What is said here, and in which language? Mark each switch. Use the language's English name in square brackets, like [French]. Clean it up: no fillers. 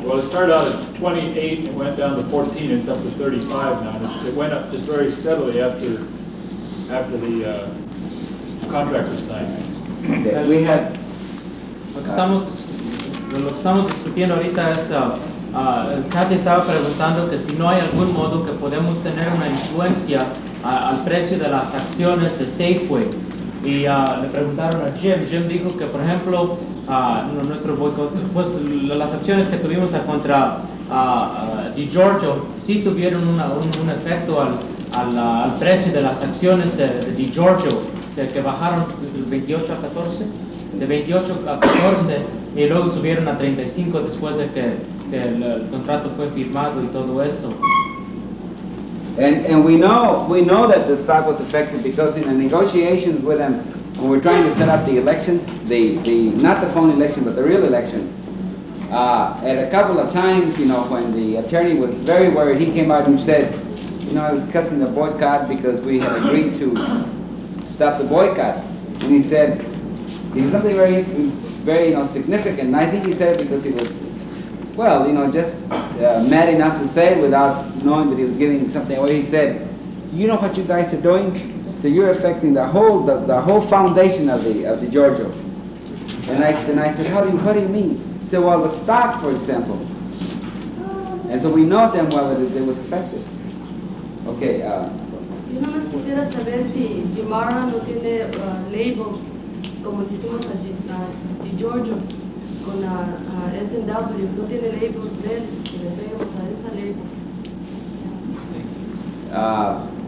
[English] Well, it started out at 28 and went down to 14 and it's up to 35 now. It went up just very steadily after the contract was signed. Okay, we have. [Spanish] Lo que estamos discutiendo ahorita es, Kathy estaba preguntando que si no hay algún modo que podemos tener una influencia al precio de las acciones de Safeway. Y le preguntaron a Jim. Jim dijo que, por ejemplo, nuestro boicot, pues las acciones que tuvimos contra DiGiorgio sí tuvieron un efecto al al precio de las acciones de DiGiorgio, que bajaron de 28 a 14, de 28 a 14, y luego subieron a 35 después de que el contrato fue firmado y todo eso. [English] And we know that the stock was affected because in the negotiations with them, when we're trying to set up the elections, the not the phone election, but the real election, at a couple of times, you know, when the attorney was very worried, he came out and said, you know, I was cussing the boycott because we had agreed to stop the boycott. And he said something very, very, you know, significant. And I think he said it because he was, well, you know, just mad enough to say it without knowing that he was giving something away. He said, you know what you guys are doing? So you're affecting the whole foundation of the Giorgio. And I said, what do you mean? He said, well, the stock, for example. And so we know them well that it was affected. Okay. [Spanish] Yo no más quisiera saber si Gemara no tiene labels como dijimos a DiGiorgio con la S&W, no tiene labels de él, le pegamos a esa label.